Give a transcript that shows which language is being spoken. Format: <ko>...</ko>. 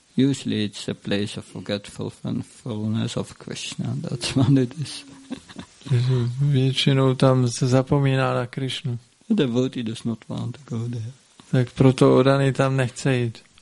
<en>Usually it's a place of forgetfulness of Krishna. That's what it is.</en> <cs>Většinou tam se zapomíná na Krishnu.</cs> <en>The devotee does not want to go there.</en> <cs>Tak proto Odany tam nechce jít.</cs>